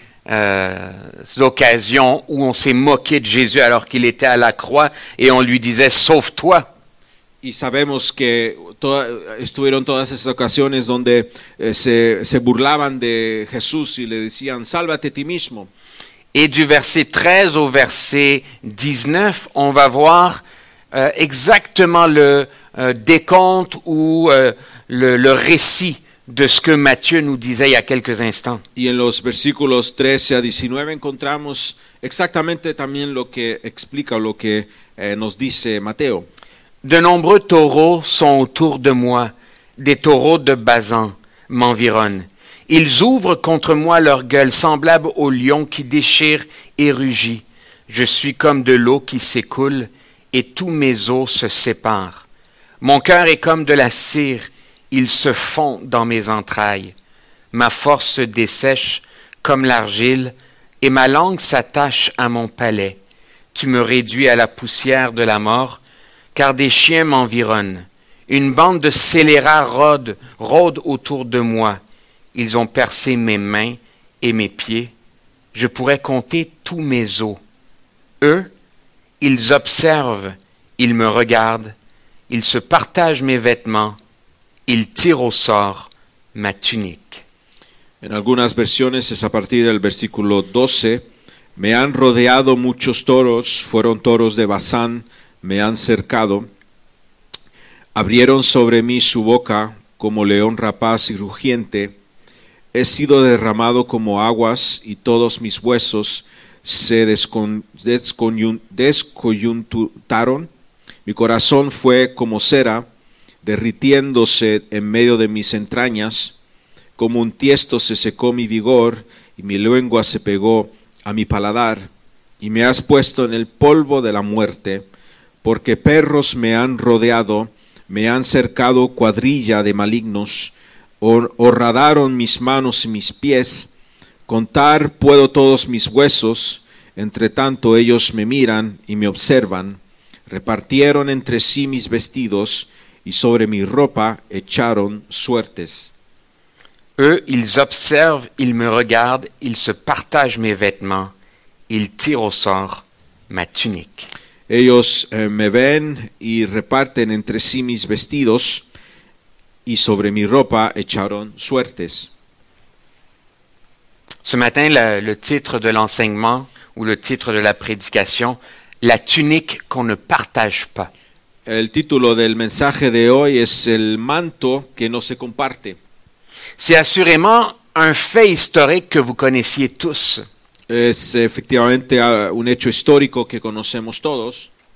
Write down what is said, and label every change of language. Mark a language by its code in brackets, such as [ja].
[fr] L'occasion où on s'est moqué de Jésus alors qu'il était à la croix et on lui disait: sauve-toi. [es] Y sabemos que estuvieron todas esas ocasiones donde se burlaban de Jesús y le decían: sálvate ti mismo. [fr] Et du verset 13 au verset 19, on va voir exactement le décompte ou le récit de ce que Matthieu nous disait il y a quelques instants. [es] Y en los versículos 13 a 19 encontramos exactamente también lo que explica lo que nos dice Mateo. [fr] De nombreux taureaux sont autour de moi, des taureaux de Bazan m'environnent. Ils ouvrent contre moi leur gueule semblable au lion qui déchire et rugit. Je suis comme de l'eau qui s'écoule et tous mes os se séparent. Mon cœur est comme de la cire. Il se fond dans mes entrailles. Ma force se dessèche comme l'argile et ma langue s'attache à mon palais. Tu me réduis à la poussière de la mort, car des chiens m'environnent. Une bande de scélérats rôde autour de moi. Ils ont percé mes mains et mes pieds. Je pourrais compter tous mes os. Eux, ils observent, ils me regardent, ils se partagent mes vêtements. Il tire au sort ma tunique. [es] En algunas versiones es a partir del versículo 12. Me han rodeado muchos toros, fueron toros de Basán, me han cercado. Abrieron sobre mí su boca como león rapaz y rugiente. He sido derramado como aguas y todos mis huesos se descoyuntaron. Mi corazón fue como cera, derritiéndose en medio de mis entrañas. Como un tiesto se secó mi vigor y mi lengua se pegó a mi paladar, y me has puesto en el polvo de la muerte, porque perros me han rodeado, me han cercado cuadrilla de malignos, horadaron mis manos y mis pies, contar puedo todos mis huesos, entre tanto ellos me miran y me observan, repartieron entre sí mis vestidos, y sobre mi ropa echaron suertes. [fr] Eux, ils observent, ils me regardent, ils se partagent mes vêtements, ils tirent au sort ma tunique. [es] Ellos me ven y reparten entre sí mis vestidos, y sobre mi ropa echaron suertes. [fr] Ce matin, le titre de l'enseignement, ou le titre de la prédication, la tunique qu'on ne partage pas. [es] El título del mensaje de hoy es el manto que no se comparte. [fr] C'est assurément un fait historique que vous connaissiez tous. [es] Es efectivamente un hecho histórico que conocemos todos.